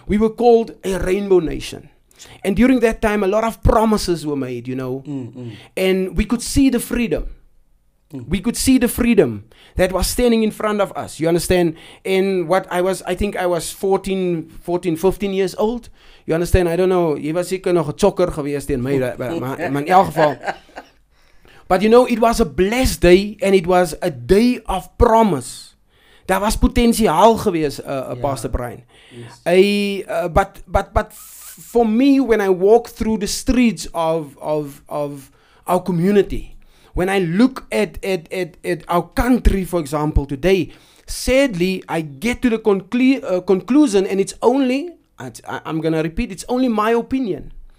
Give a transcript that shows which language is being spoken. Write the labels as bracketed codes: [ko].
[en] We were called a rainbow nation. And during that time, a lot of promises were made, you know. And we could see the freedom. We could see the freedom that was standing in front of us. You understand? And what I was, I think I was 15 years old. You understand? I don't know. [af] Jy was seker nog 'n chokker geweest in my, maar in elk geval. [en] But you know, it was a blessed day, and it was a day of promise. [af] Daar was potensiaal geweest, Pastor Brian. [en] Yes. But for me, when I walk through the streets of our community, when I look at our country, for example, today, sadly, I get to the conclusion, and it's only my opinion.